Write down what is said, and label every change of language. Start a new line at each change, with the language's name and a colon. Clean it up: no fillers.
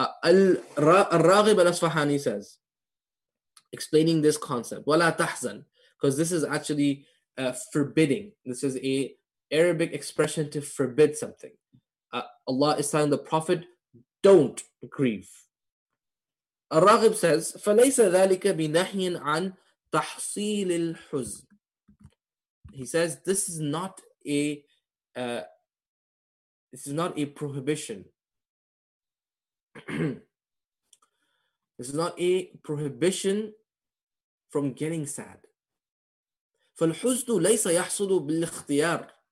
English: Al-Raghib al-Asfahani says, explaining this concept,
Arabic: وَلَا تَحْزَنْ,
English: because this is actually forbidding. This is a Arabic expression to forbid something. Allah is telling the Prophet, don't grieve. Al-Raghib says,
Arabic: فَلَيْسَ ذَلِكَ بِنَحْيٍ عَنْ تَحْصِيلِ الْحُزْنِ.
English: He says, this is not a prohibition. This is not a prohibition from getting sad.
Arabic: فَالْحُزْنُ لَيْسَ يَحْصُلُ بِالْإِخْتِيَارِ.